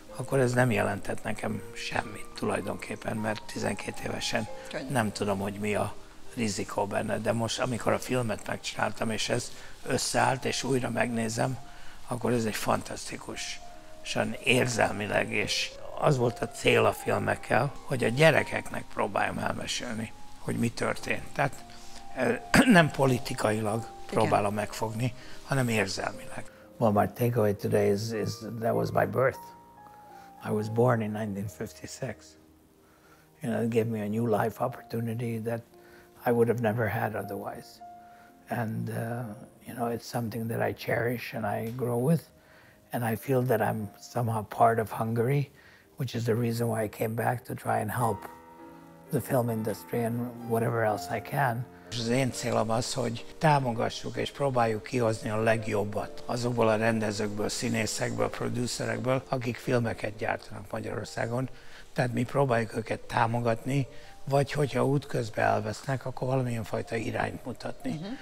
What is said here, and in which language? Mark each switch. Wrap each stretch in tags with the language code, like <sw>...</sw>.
<hu>ez nem jelentett nekem semmit tulajdonképpen, mert 12 évesen nem tudom, hogy mi a rizikó benne, de most, amikor a filmet megcsináltam, és ez összeállt, és újra megnézem, akkor ez egy fantasztikus, és érzelmileg, és az volt a cél a filmekkel, hogy a gyerekeknek próbáljam elmesélni, hogy mi történt. Tehát nem politikailag próbálom megfogni, hanem érzelmileg.</hu> <en>Well, my takeaway today is that was my birth. I was born in 1956. You know, it gave me a new life opportunity that I would have never had otherwise. And you know, it's something that I cherish and I grow with, and I feel that I'm somehow part of Hungary, which is the reason why I came back to try and help the film industry and whatever else I can.</en> <hu>Az én célom az, hogy támogassuk és próbáljuk kihozni a legjobbat azokból a rendezőkből, színészekből, producerekből, akik filmeket gyártanak Magyarországon. Tehát mi próbáljuk őket támogatni, vagy hogyha útközben elvesznek, akkor valamilyen fajta irányt mutatni.</hu>